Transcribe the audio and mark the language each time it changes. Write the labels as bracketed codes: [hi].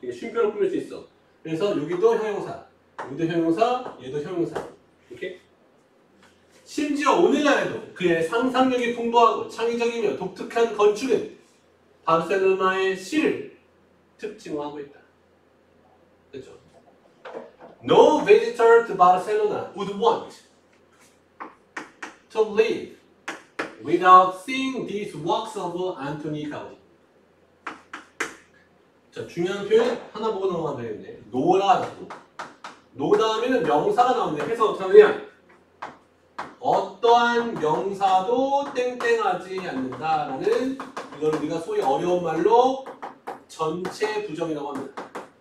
[ko] 이게 쉼표로 꾸밀 수 있어. 그래서 여기도 형용사. 우리도 형용사, 얘도 형용사. 이렇게. 심지어 오늘날에도 그의 상상력이 풍부하고 창의적이며 독특한 건축은 바르셀로나의 시를 특징화하고 있다. 그렇죠? [en] No visitor to Barcelona would want to leave without seeing these works of Antoni Gaudí. [ko] 자, 중요한 표현 하나 보고 넘어가면 되겠네. 노라고. 노 다음에는 명사가 나오는데 해서 어떻게 하냐? 어떠한 명사도 땡땡하지 않는다라는 이걸 우리가 소위 어려운 말로 전체 부정이라고 합니다.